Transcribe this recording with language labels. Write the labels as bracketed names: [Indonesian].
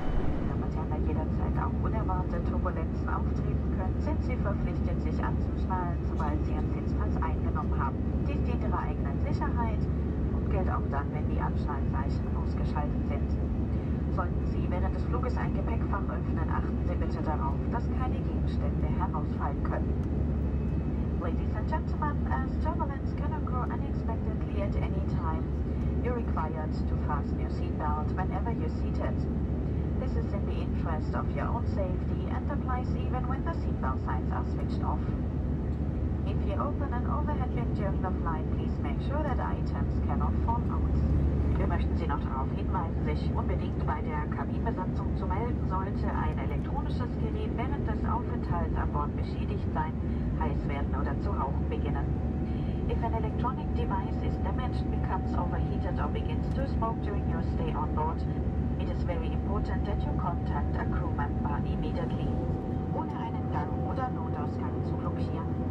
[German] sollte Turbulenzen auftreten können, sind Sie verpflichtet, sich anzuschnallen, sobald Sie Ihren Sitzplatz eingenommen haben. Dies dient Ihrer eigenen Sicherheit und gilt auch dann, wenn die Anschnallzeichen ausgeschaltet sind. Sollten Sie während des Fluges ein Gepäckfach öffnen, achten Sie bitte darauf, dass keine Gegenstände herausfallen können. [English] Ladies and gentlemen, as turbulence can occur unexpectedly at any time, you're required to fasten your seatbelt whenever you're seated. This is in the interest of your own safety and applies even when the seatbelt signs are switched off. If you open an overhead bin during the flight, please make sure that items cannot fall out. [German] Wir möchten Sie noch darauf hinweisen, sich unbedingt bei der Kabinenbesatzung zu melden, sollte ein elektronisches Gerät während des Aufenthalts an Bord beschädigt sein, heiß werden oder zu rauchen beginnen. [English] If an electronic device is damaged, becomes overheated or begins to smoke during your stay on board, it is very important that you contact a crew member immediately, [German] ohne einen Gang oder Notausgang zu blockieren.